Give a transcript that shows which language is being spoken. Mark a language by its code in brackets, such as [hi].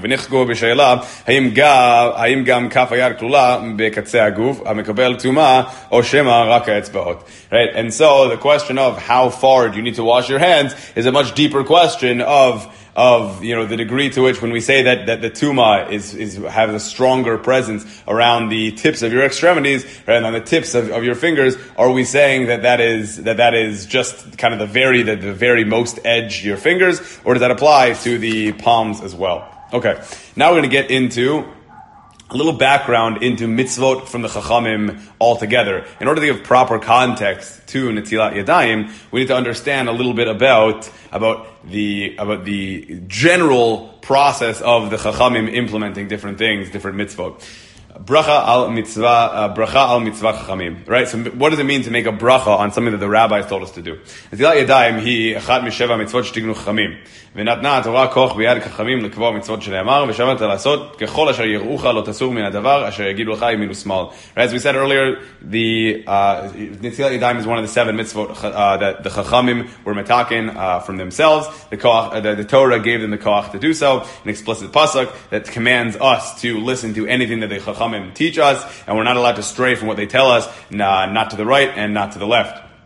[he] ונחגו בשאלה, האם גם כף היד כלולה בקצה הגוף, המקבל תומעה, או שמה רק האצבעות? [en] Right? And so the question of how far do you need to wash your hands is a much deeper question of you know, the degree to which when we say that the tuma is have a stronger presence around the tips of your extremities and on the tips of your fingers, are we saying that is just kind of the very most edge your fingers, or does that apply to the palms as well? Okay, now we're going to get into a little background into mitzvot from the Chachamim altogether. In order to give proper context to Netilat Yadayim, we need to understand a little bit about the general process of the Chachamim implementing different things, different mitzvot. [he] Bracha al mitzvah Chachamim. [en] Right? So what does it mean to make a bracha on something that the rabbis told us to do? [he] Netilat Yadayim hi echad misheva mitzvot shetiknu Chachamim. ונתנה התורה כוח ביד חכמים לקבוע מצוות שנאמר, ושמעת לעשות ככל אשר יראוך לא תסור מן הדבר אשר יגידו לך ימין ושמאל. [en] As we said earlier, the נטילת ידיים is one of the seven mitzvot that the chachamim were metaken from themselves. The Torah gave them the koach to do so, an explicit pasuk that commands us to listen to anything that the chachamim teach us, and we're not allowed to stray from what they tell us, not to the right and not to the left.